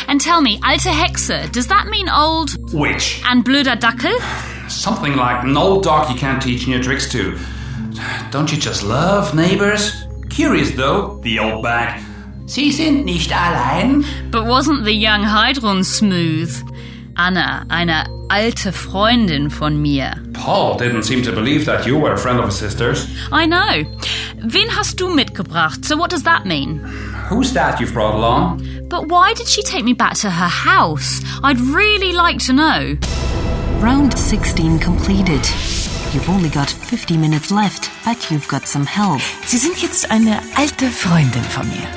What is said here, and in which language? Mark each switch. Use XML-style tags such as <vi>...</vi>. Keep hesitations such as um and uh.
<en>And tell me,</en> <de>alte Hexe,</de> <en>does that mean old... Witch. And</en> <de>blöder Dackel?</de> <en>Something like an old dog you can't teach new tricks to. Don't you just love neighbors? Curious though, the old bag.</en> <de>Sie sind nicht allein.</de> <en>But wasn't the young Hydron smooth?</en> <de>Anna, eine alte Freundin von mir.</de> <en>Paul didn't seem to believe that you were a friend of his sister's. I know.</en> <de>Wen hast du mitgebracht?</de> <en>So what does that mean? Who's that you've brought along? But why did she take me back to her house? I'd really like to know. Round 16 completed. You've only got 50 minutes left, but you've got some help.</en> <de>Sie sind jetzt eine alte Freundin von mir.</de>